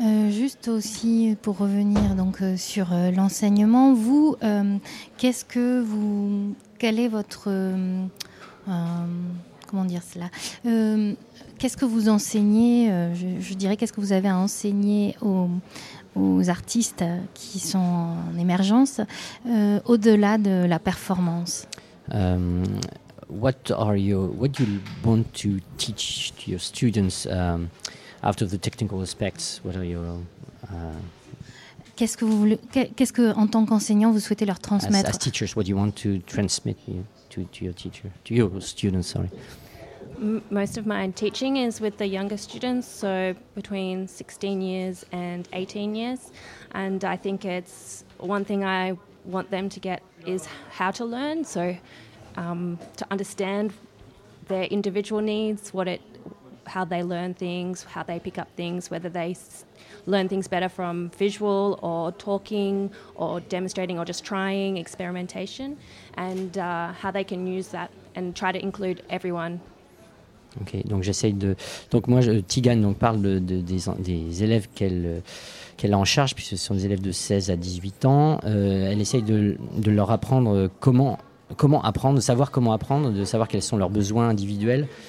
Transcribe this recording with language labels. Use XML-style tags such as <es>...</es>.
<fr>Juste aussi pour revenir donc sur l'enseignement, vous, qu'est-ce que vous, quel est votre comment dire cela? Qu'est-ce que vous enseignez, je dirais, qu'est-ce que vous avez à enseigner aux artistes qui sont en émergence au-delà de la performance?</fr> <en>What do you want to teach to your students after the technical aspects? What are your</en> <fr>qu'est-ce que en tant qu'enseignant vous souhaitez leur transmettre?</fr> <en>As teachers, what do you want to transmit to your teacher, to your students? Sorry. Most of my teaching is with the younger students, so between 16 years and 18 years. And I think it's one thing I want them to get is how to learn, so to understand their individual needs, how they learn things, how they pick up things, whether they learn things better from visual or talking or demonstrating or just trying, experimentation, and how they can use that and try to include everyone.</en> <fr>Ok, donc j'essaye de. Donc moi, Tigane donc, parle des élèves qu'elle a en charge, puisque ce sont des élèves de 16 à 18 ans. Elle essaye de leur apprendre comment apprendre, de savoir comment apprendre, de savoir quels sont leurs besoins individuels.</fr>